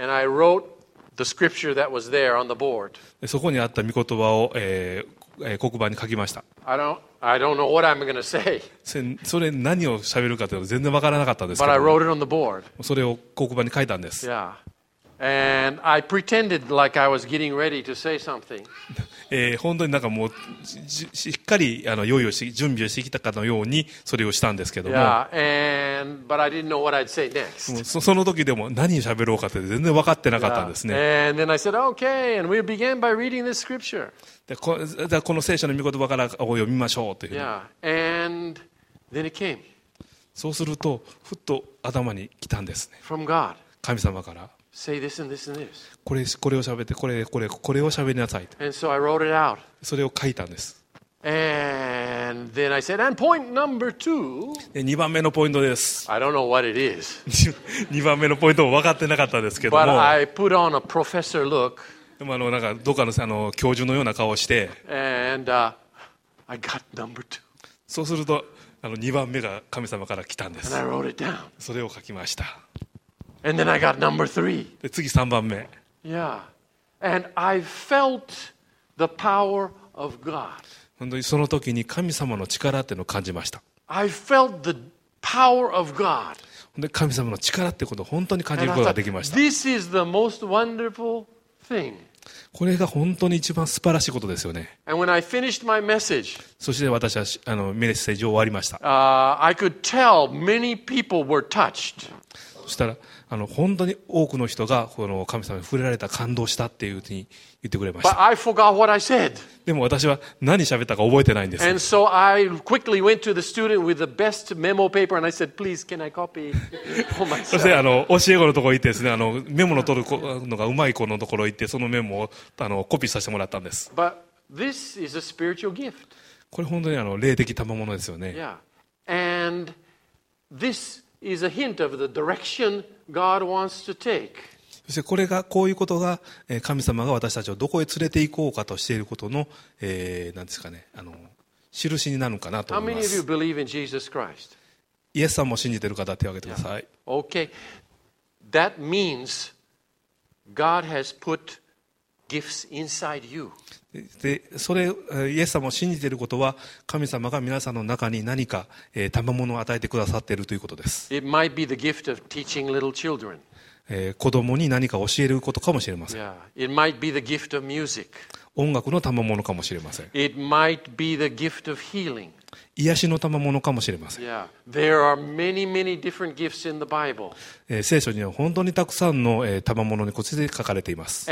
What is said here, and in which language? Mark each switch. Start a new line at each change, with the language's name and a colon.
English: And I wrote the scripture that was there on the board.
Japanese: でそこにあった御言葉を、黒板に書きました。
English: I don't know what I'm gonna say.
Japanese: それ何を喋るかというのは全然わからなかったですけど。
English: But I wrote it on the board.
Japanese: それを黒板に書いたんです。
English: Yeah. And I pretended like I was getting ready to say something.
Japanese: 本当になんかもうしっかり用意をし準備をしてきたかのようにそれをしたんですけども。
English: Yeah. And but I didn't know what I'd say next.
Japanese: その時でも何を喋ろうかって全然わかってなかったんですね。
English: Yeah. And then I said, okay, and we began by reading this scripture.
Japanese: この聖書の御言葉からを読みましょうというふうに。
English: Yeah. And then it came.
Japanese: そうするとふっと頭に来たんですね。
English: From God.
Japanese: 神様から。
English: Say this and this and this.
Japanese: これを喋ってこれを喋りなさいと。
English: And so I wrote it out.
Japanese: それを書いたんです。
English: And then I said, and point number two.
Japanese: 二番目のポイントです。
English: I don't know what it is.
Japanese: 二番目のポイントも分かってなかったですけども。
English: But I put on a professor look.
Japanese: でもなんかどこかの教授のような顔をして、
English: And, I got number two.
Japanese: そうすると2番目が神様から来たんです。
English: And I wrote it down.
Japanese: それを書きました。
English: And then I got number three.
Japanese: で次3番目。
English: Yeah. And I felt the power of God.
Japanese: 本当にその時に神様の力っていうのを感じました。
English: I felt the power of God.
Japanese: で神様の力っていうことを本当に感じることができました。
English: And I thought, This is the most wonderful.
Japanese: これが本当に一番素晴らしいことですよね。
English: And when I finished my message,
Japanese: そして私はメッセージを終わりました。
English: I could tell many people were touched.
Japanese: そしたら本当に多くの人がこの神様に触れられた感動したっていうふうに言ってくれました。
English: But I forgot what I said.
Japanese: でも私は何喋ったか覚えてないんです。
English: And so I quickly went to the student with the best memo paper and I said, please, can I copy?
Japanese: そして教え子のところに行ってですね、メモの取るのがうまい子のところに行ってそのメモをコピーさせてもらったんです。
English: But this is a spiritual gift.
Japanese: これ本当に霊的賜物ですよね。
English: Yeah. And this is a hint of the directionGod wants to take.
Japanese: そしてこれがこういうことが神様が私たちをどこへ連れて行こうかとしていることの何ですかね印になるかなと思います。
English: How many of you believe in Jesus Christ?
Japanese: イエスさんも信じている方手を挙げてください。
English: Yeah. Okay. That means God has put gifts inside you.
Japanese: でそれイエスさんも信じていることは神様が皆さんの中に何か賜物を与えてくださっているということです。
English: It might be the gift of teaching little children.
Japanese: 子供に何か教えることかもしれません。
English: Yeah. It might be the gift of music.
Japanese: 音楽の賜物かもしれません。
English: It might be the gift of healing.
Japanese: 癒しの賜物かもしれません。
English: Yeah. There are many, many different gifts in the Bible.
Japanese: 聖書には本当にたくさんの賜物にこちらで書かれています。